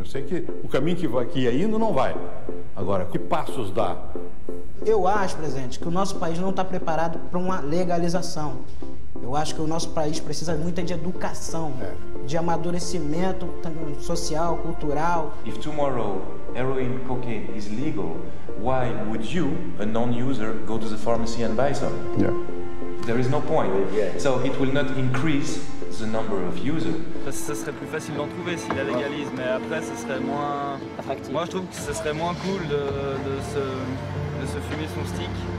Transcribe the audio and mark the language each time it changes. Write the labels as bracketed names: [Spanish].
[Portuguese] Eu sei que o caminho que vai aqui ainda não vai. Agora, que passos dá? Eu acho, presidente, que o nosso país não está preparado para uma legalização. Eu acho que o nosso país precisa muito de educação, de amadurecimento social, cultural. [English] If tomorrow heroin, cocaine is legal, why would you, a non-user, go to the pharmacy and buy some? Yeah. There is no point. So it will not increase the number of users. [French] Ça serait plus facile d'en trouver s'il la légalise, mais après ça serait moins attractif. Moi je trouve que ça serait moins cool de se fumer son stick.